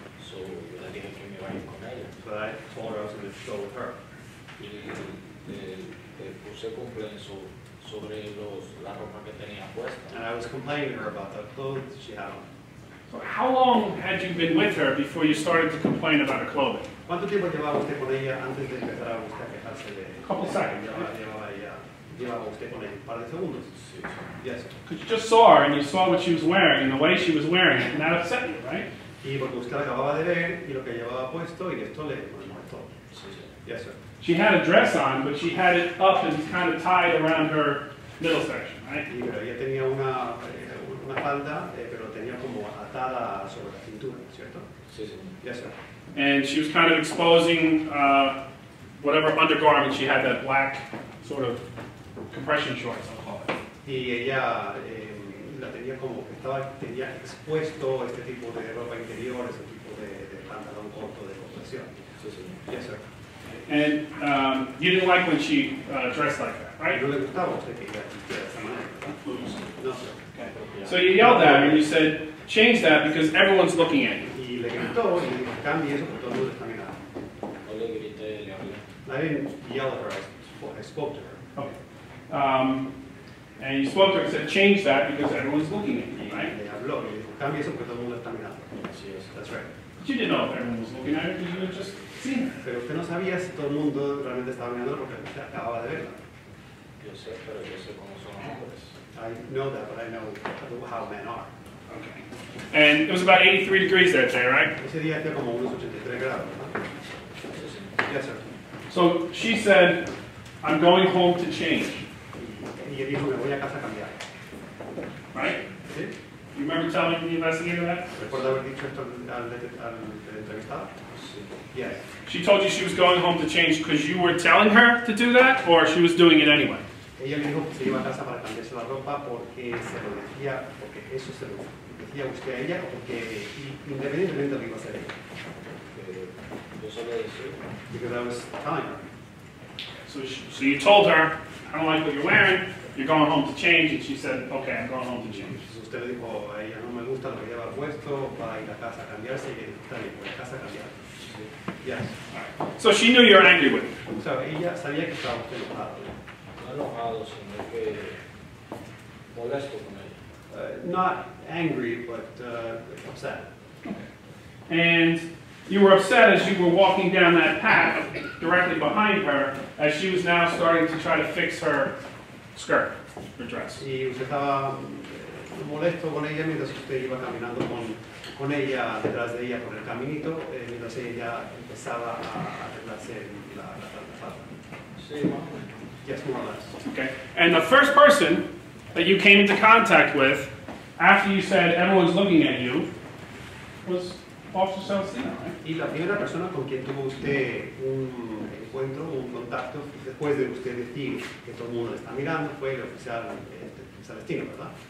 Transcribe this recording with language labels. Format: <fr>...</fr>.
<es>So yo le dije que me iba a ir con ella.</es> <en>So I told her I was going to go with her.</en> <es>Y le puse complejo sobre la ropa que tenía puesta.</es> <en>And I was complaining to her about the clothes she had on. So how long had you been with her before you started to complain about her clothing?</en> <es>¿Cuánto tiempo llevaba usted con ella antes de empezar a buscar quejarse de...?</es> <en>A couple seconds.</en> <es>Llevaba usted con ella un par de segundos. Sí.</es> <en>Yes. Because you just saw her and you saw what she was wearing and the way she was wearing it, and that upset you, right?</en> <es>Y porque usted acababa de ver y lo que llevaba puesto y esto le molestó. Sí, sí.</es> <en>Yes, sir. She had a dress on, but she had it up and kind of tied around her middle section, right?</en> <es>Y pero ella tenía una falda, pero tenía como atada sobre la cintura, ¿cierto? Sí, sí.</es> <en>Yes, sir. And she was kind of exposing whatever undergarment she had, that black sort of compression shorts, I'll call it.</en> <es>Y ella la tenía como que estaba, tenía expuesto este tipo de ropa interior, ese tipo de pantalón corto de compresión. Sí, sí.</es> <en>Yes, sir. And you didn't like when she dressed like that, right?</en> <es>No le gustaba usted que ella dijera esa manera.</es> <en>No, sir. So you yelled at her and you said, change that because everyone's looking at you.</en> <es>Y le gritó y le dijo, cambie eso porque todo el mundo está mirando. No le grité, le hablé.</es> <en>I didn't yell at her, I spoke to her. Okay. And you spoke to her and said, change that because everyone's looking at you, right?</en> <es>Le habló y le dijo, cambie eso porque todo el mundo está mirando.</es> <en>Yes, yes. That's right. But you didn't know if everyone was looking at her because you had just seen her.</en> <es>Pero usted no sabía si todo el mundo realmente estaba mirando porque usted acababa de verla. Yo sé, pero yo sé cómo son los hombres.</es> <en>I know that, but I know how men are. Okay. And it was about 83 degrees that day, right?</en> <es>Ese día hacía como unos 83 grados, ¿no?</es> <en>Yes, sir. So she said, I'm going home to change.</en> <es>Y dijo, me voy a casa a cambiar.</es> <en>Right?</en> <es>Sí.</es> <en>You remember telling the investigator that?</en> <es>¿Recuerda haber dicho esto al entrevistado? Sí.</es> <en>Yes. She told you she was going home to change because you were telling her to do that, or she was doing it anyway?</en> <es>Ella me dijo que se iba a casa para cambiarse la ropa porque se lo decía, porque eso se lo decía usted a ella, o porque independientemente lo iba a hacer ella. Yo solo decía.</es> <en>Because I was telling her. So you told her, I don't like what you're wearing, you're going home to change, and she said, okay, I'm going home to change.</en> <es>Entonces usted le dijo, a ella no me gusta lo que lleva puesto, va a ir a casa a cambiarse, y está bien, voy a casa a cambiar.</es> <en>Yes. Right. So she knew you were angry with</en> <es>her. So ella sabía que estaba usted enojado.</es> <en>Not angry, but upset. And you were upset as you were walking down that path directly behind her as she was now starting to try to fix her skirt, her dress. Y usted estaba molesto con ella mientras usted iba caminando con ella detrás de ella por el caminito mientras ella empezaba a arreglarse la falda. Yes, more or less. Okay. And the first person that you came into contact with after you said everyone's looking at you was Officer Celestino, right?</en> <es>Y la primera persona con quien tuvo usted un encuentro, un contacto, después de usted decir que todo el mundo está mirando, fue el oficial Celestino, ¿verdad?</es>